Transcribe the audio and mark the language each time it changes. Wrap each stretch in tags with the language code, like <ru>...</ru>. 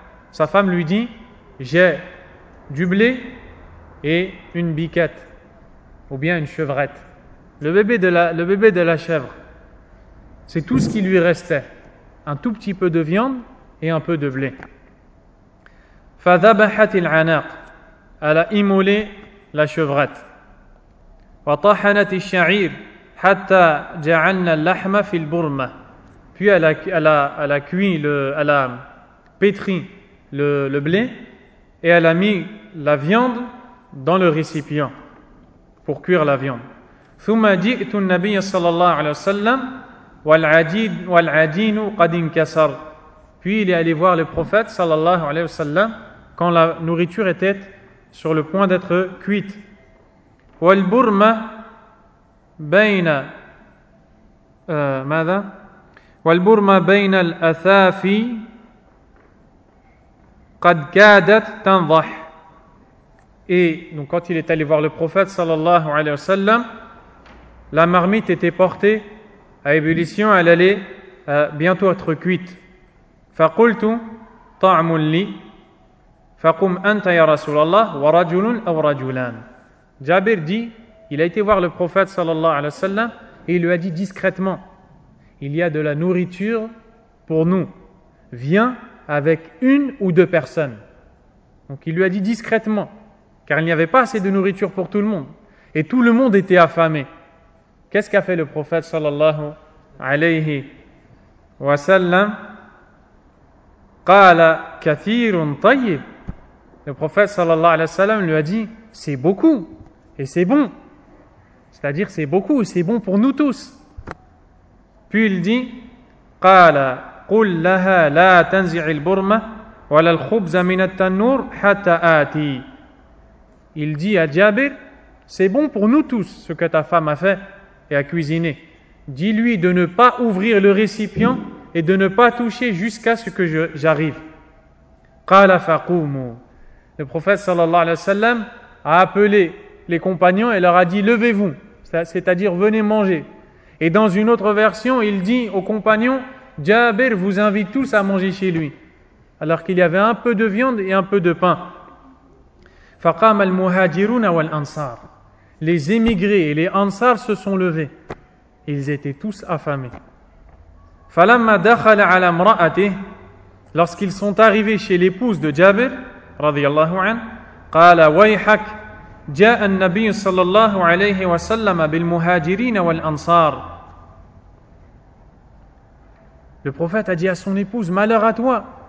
<fr>Sa femme lui dit: j'ai du blé et une biquette, ou bien une chevrette, le bébé de la chèvre. C'est tout ce qui lui restait, un tout petit peu de viande et un peu de blé.</fr> <ar>فذبحت العناق,</ar> <fr>elle a immolé la chevrette.</fr> <ar>وطحنت الشعير حتى جعلنا اللحم في البرمة.</ar> <fr>Puis elle a pétri le blé et elle a mis la viande dans le récipient pour cuire la viande.</fr> <ar>ثم جئت النبي صلى الله عليه وسلم والعجين قد انكسر.</ar> <fr>Puis il est allé voir le prophète صلى الله عليه وسلم quand la nourriture était sur le point d'être cuite.</fr> <ar>والبرمة بين ماذا والبرمة بين الأثافي قد كادت تنضح.</ar> <fr>Et donc quand il est allé voir le prophète sallallahu alayhi wa sallam, la marmite était portée à ébullition, elle allait bientôt être cuite.</fr> <ar>فقلت طعم لي فقم أنت يا رسول الله ورجل أو رجلان.</ar> <fr>Jabir dit, il a été voir le prophète sallallahu alayhi wa sallam et il lui a dit discrètement: il y a de la nourriture pour nous. Viens avec une ou deux personnes. Donc il lui a dit discrètement, car il n'y avait pas assez de nourriture pour tout le monde. Et tout le monde était affamé. Qu'est-ce qu'a fait le prophète sallallahu alayhi wa sallam?</fr> <ar>قال كثير طيب.</ar> <fr>Le prophète sallallahu alayhi wa sallam lui a dit, c'est beaucoup et c'est bon. C'est-à-dire c'est beaucoup et c'est bon pour nous tous. Puis il dit,</fr> <ar>قَالَ قُلْ لَهَا لَا تَنْزِعِ الْبُرْمَةَ وَلَا الْخُبْزَ مِنَ التَّنُّورِ حَتَّى آتِي.</ar> <fr>Il dit à Jabir, c'est bon pour nous tous ce que ta femme a fait et a cuisiné. Dis-lui de ne pas ouvrir le récipient et de ne pas toucher jusqu'à ce que j'arrive.</fr> <ar>قَالَ فَقُومُ.</ar> <fr>Le prophète sallallahu alayhi wa sallam a appelé les compagnons et leur a dit, levez-vous, c'est-à-dire venez manger. Et dans une autre version, il dit aux compagnons, Jabir vous invite tous à manger chez lui. Alors qu'il y avait un peu de viande et un peu de pain.</fr> <ar>فَقَامَ الْمُهَاجِرُونَ وَالْأَنصَارِ.</ar> <fr>Les émigrés et les ansars se sont levés. Ils étaient tous affamés.</fr> <ar>فَلَمَّا دَخَلَ عَلَى امْرَأَتِهِ.</ar> <fr>Lorsqu'ils sont arrivés chez l'épouse de Jabir, radiyallahu anhu,</fr> <ar>قَالَ وَيْحَكْ جَاءَ النَّبِيُّ صَلَّى اللَّهُ عَلَيْهِ وَسَلَّمَ بِالْمُهَاجِرِينَ وَالْأَنصَارِ.</ar> <fr>Le prophète a dit à son épouse, malheur à toi.</fr>